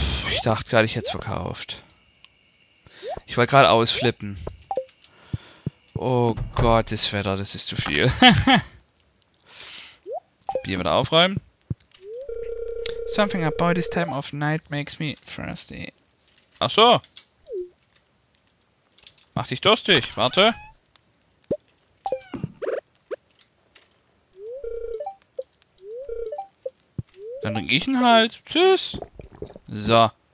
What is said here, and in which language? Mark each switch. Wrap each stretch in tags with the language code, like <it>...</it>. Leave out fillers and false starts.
<de>Ich dachte gerade, ich hätte es verkauft. Ich wollte gerade ausflippen. Oh Gott, das Wetter, das ist zu viel. Bier wieder aufräumen.</de> <en>Something about this time of night makes me thirsty.</en> <de>Ach so. Mach dich durstig, warte. Dann trinke ich ihn halt. Tschüss. So.</de>